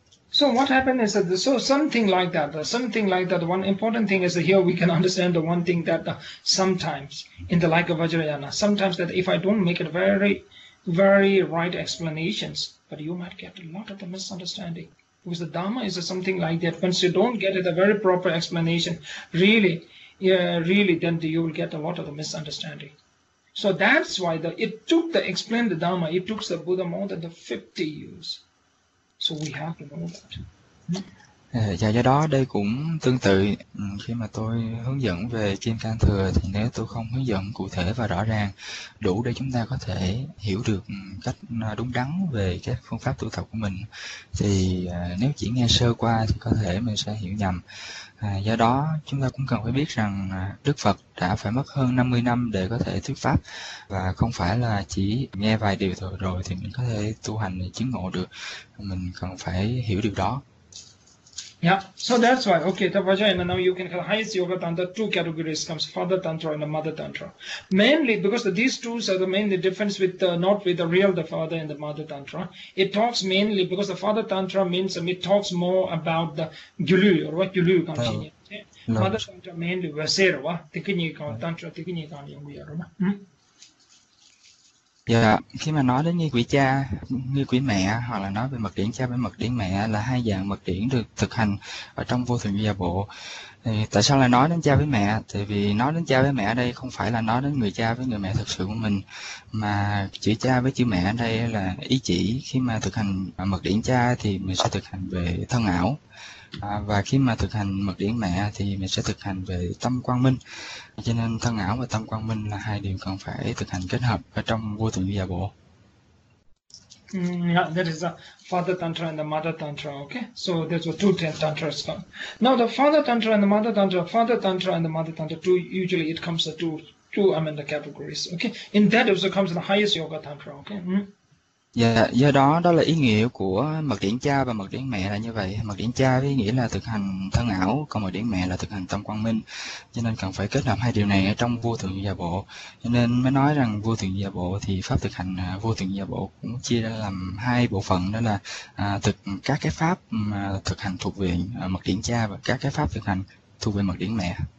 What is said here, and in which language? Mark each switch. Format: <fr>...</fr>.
<en>So what happened is that something like that, one important thing is that here we can understand the one thing that sometimes in the like of Vajrayana, sometimes that if I don't make it very, very right explanations, but you might get a lot of the misunderstanding. Because the Dhamma is something like that. Once you don't get it a very proper explanation, really, then you will get a lot of the misunderstanding. So that's why it took the Buddha more than the 50 years. So we have to know that.</en> <vi>Do đây cũng tương tự khi mà tôi hướng dẫn về kim cang thừa, thì nếu tôi không hướng dẫn cụ thể và rõ ràng đủ để chúng ta có thể hiểu được cách đúng đắn về các phương pháp tu tập của mình, thì nếu chỉ nghe sơ qua thì có thể mình sẽ hiểu nhầm. Do đó chúng ta cũng cần phải biết rằng Đức Phật đã phải mất hơn 50 năm để có thể thuyết pháp, và không phải là chỉ nghe vài điều thôi rồi thì mình có thể tu hành để chứng ngộ được. Mình cần phải hiểu điều đó.</vi> <en>Yeah, so that's why, okay, the Vajrayana, now you can have highest yoga tantra, two categories comes, father tantra and the mother tantra. Mainly, because these two are the main difference with the father and the mother tantra. It talks mainly, because the father tantra means, it talks more about the gyulu, or what gyulu comes in. Mother tantra mainly, vasera, tikinyikan, tantra, tikinyikan, yungviyaruma.</en> <vi>Dạ, khi mà nói đến như quỷ cha, như quỷ mẹ, hoặc là nói về mật điển cha với mật điển mẹ là hai dạng mật điển được thực hành ở trong vô thượng gia bộ. Thì tại sao lại nói đến cha với mẹ? Tại vì nói đến cha với mẹ ở đây không phải là nói đến người cha với người mẹ thực sự của mình, mà chữ cha với chữ mẹ ở đây là ý chỉ khi mà thực hành mật điển cha thì mình sẽ thực hành về thân ảo. Và khi mà thực hành mật điển mẹ thì mình sẽ thực hành về tâm quang minh. Cho nên thân ảo và tâm quang minh là hai điều cần phải thực hành kết hợp ở trong vô thượng gia bộ.</vi> <en>Yeah, that is the father tantra and the mother tantra, okay? So there's two tantras. Now the father tantra and the mother tantra, two usually it comes to two the categories, okay? In that also comes the highest yoga tantra, okay? Mm.</en> <vi>Do đó đó là ý nghĩa của mật điển cha và mật điển mẹ là như vậy. Mật điển cha với ý nghĩa là thực hành thân ảo, còn mật điển mẹ là thực hành tâm quang minh. Cho nên cần phải kết hợp hai điều này ở trong vô thượng gia bộ. Cho nên mới nói rằng vô thượng gia bộ thì pháp thực hành vô thượng gia bộ cũng chia ra làm hai bộ phận, đó là thực các cái pháp mà thực hành thuộc về mật điển cha và các cái pháp thực hành thuộc về mật điển mẹ.</vi>